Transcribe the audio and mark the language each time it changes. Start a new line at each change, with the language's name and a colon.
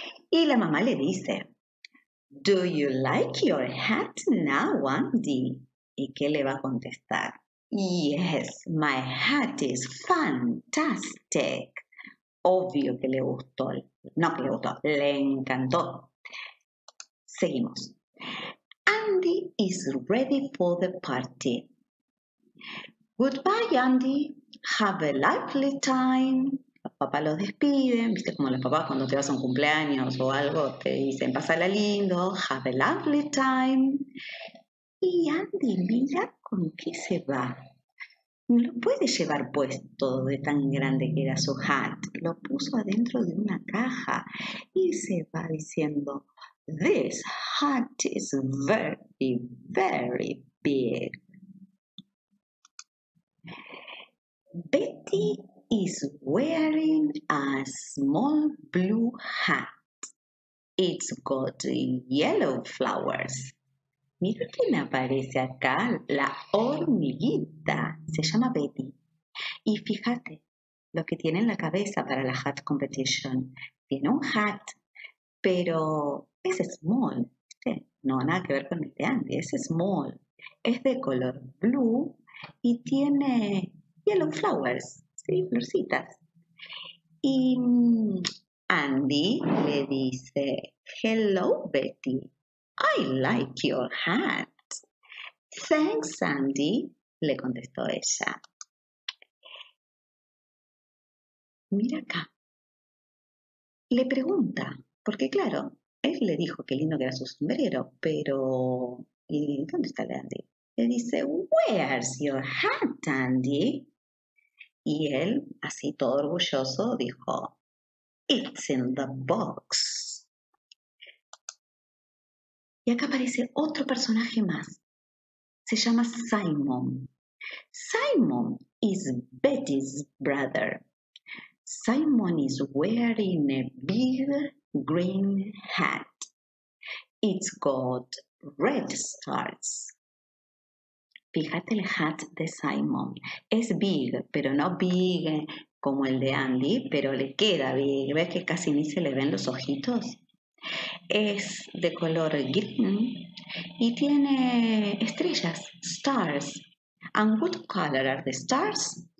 Spanish: Y la mamá le dice,
English: do you like your hat now, Andy?
Spanish: ¿Y qué le va a contestar?
English: Yes, my hat is fantastic.
Spanish: Obvio que le gustó. No que le gustó, le encantó. Seguimos.
English: Andy is ready for the party. Goodbye, Andy. Have a lovely time.
Spanish: Los papás los despiden. Viste como los papás cuando te vas a un cumpleaños o algo, te dicen, pásala lindo.
English: Have a lovely time.
Spanish: Y Andy, mira con qué se va. No lo puede llevar puesto de tan grande que era su hat. Lo puso adentro de una caja y se va diciendo,
English: this hat is very, very big. Betty is wearing a small blue hat. It's got yellow flowers.
Spanish: Mira quién aparece acá, la hormiguita. Se llama Betty. Y fíjate lo que tiene en la cabeza para la hat competition. Tiene un hat, pero es small. ¿Viste? No, nada que ver con el de Andy, es small. Es de color blue y tiene yellow flowers, sí, florcitas. Y Andy le dice, hello, Betty.
English: I like your hat.
Spanish: Thanks, Andy, le contestó ella. Mira acá. Le pregunta, porque claro, él le dijo qué lindo que era su sombrero, pero ¿y dónde está el de Andy? Le dice,
English: where's your hat, Andy?
Spanish: Y él, así todo orgulloso, dijo,
English: it's in the box.
Spanish: Y acá aparece otro personaje más. Se llama Simon.
English: Simon is Betty's brother. Simon is wearing a big green hat. It's got red stars.
Spanish: Fíjate el hat de Simon. Es big, pero no big como el de Andy, pero le queda big. ¿Ves que casi ni se le ven los ojitos? Es de color green y tiene estrellas, stars.
English: And what color are the stars?